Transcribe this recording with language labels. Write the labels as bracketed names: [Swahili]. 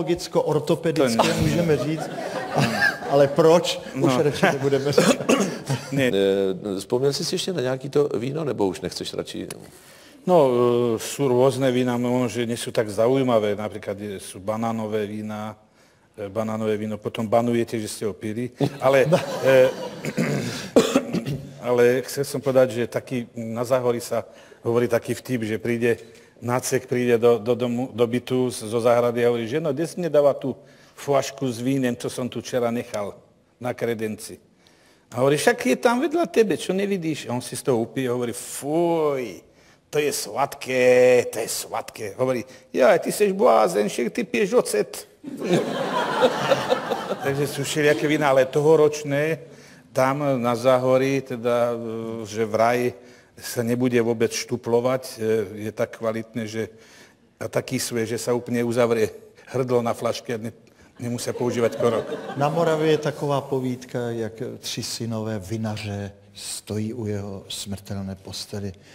[Czech] Gynekologicko-ortopedické můžeme říct, ale proč, už radši nebudeme říkat. Vzpomněl jsi si ještě na nějaký to víno, nebo už nechceš radši? [Slovak] No, jsou různé vína, možná, že nejsou tak zaujímavé, například jsou banánové vína, banánové víno, potom banujete, že jste ho pili, ale... Ale chcel som povedať, že taký, na Záhorí sa hovorí taký vtip, že príde nácek, príde do domu, do bytu zo záhrady a hovorí, že no, kde si mi dáva tú fľašku s vínem, čo som tu včera nechal na kredenci. A hovorí, však je tam vedľa tebe, čo nevidíš? A on si z toho upije a hovorí, fuj, to je sladké. Hovorí, jaj, [Czech] ty seš blázen, [Slovak] však ty piješ ocet. Takže sú všelijaké vína, ale tohoročné... Tam na Záhorí, teda, že vraj sa nebude vôbec štuplovať, je tak kvalitné, že a taký svoje, že sa úplne uzavrie hrdlo na flaške a nemusia používať korok. [Czech] Na Moravě je taková povídka, jak 3 synové vinaře stojí u jeho smrtelné postely.